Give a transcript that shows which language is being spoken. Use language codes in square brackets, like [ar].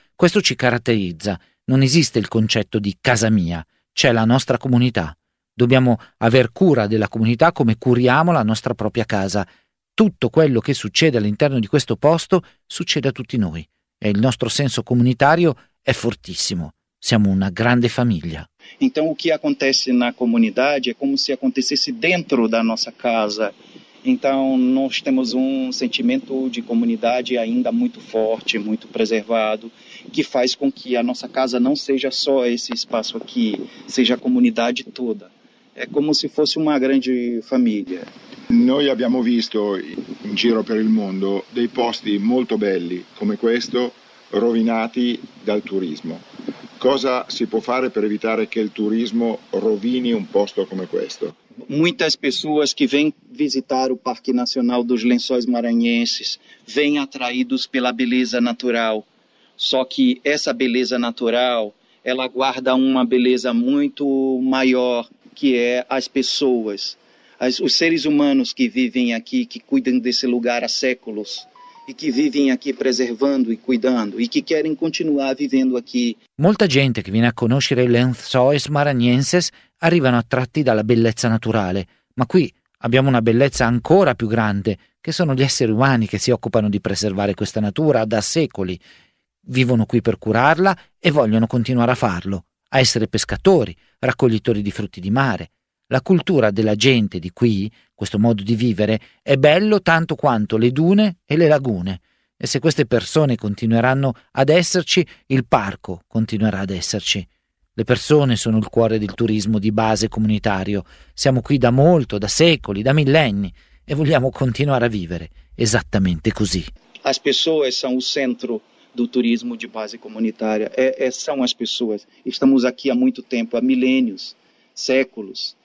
[it] Questo ci caratterizza. Non esiste il concetto di casa mia, c'è la nostra comunità. Dobbiamo aver cura della comunità come curiamo la nostra propria casa. Tutto quello che succede all'interno di questo posto succede a tutti noi e il nostro senso comunitario è fortissimo. Siamo una grande famiglia. [pt] Então, o que acontece na comunidade é como se acontecesse dentro da nossa casa. Então, nós temos sentimento de comunidade ainda muito forte, muito preservado, que faz com que a nossa casa não seja só esse espaço aqui, seja a comunidade toda. É como se fosse uma grande família. [it] Noi abbiamo visto in giro per il mondo dei posti molto belli come questo rovinati dal turismo. Cosa si può fare per evitare che il turismo rovini un posto come questo? Molte persone che vengono a visitare il Parque Nazionale dos Lençóis Maranhenses vengono [pt] attraídos pela beleza natural. Só que essa beleza natural, ela guarda uma beleza muito maior que é as pessoas. Os seres humanos que vivem aqui, que cuidam desse lugar há séculos e que vivem aqui preservando e cuidando e que querem continuar vivendo aqui. [it] Molta gente che viene a conoscere i Lençóis Maranhenses arrivano attratti dalla bellezza naturale, ma qui abbiamo una bellezza ancora più grande, che sono gli esseri umani che si occupano di preservare questa natura da secoli. Vivono qui per curarla e vogliono continuare a farlo, a essere pescatori, raccoglitori di frutti di mare. La cultura della gente di qui, questo modo di vivere, è bello tanto quanto le dune e le lagune. E se queste persone continueranno ad esserci, il parco continuerà ad esserci. Le persone sono il cuore del turismo di base comunitario. Siamo qui da molto, da secoli, da millenni e vogliamo continuare a vivere esattamente così. [pt] As pessoas são o centro do turismo de base comunitária. São as pessoas. Estamos aqui há muito tempo, há milênios, séculos.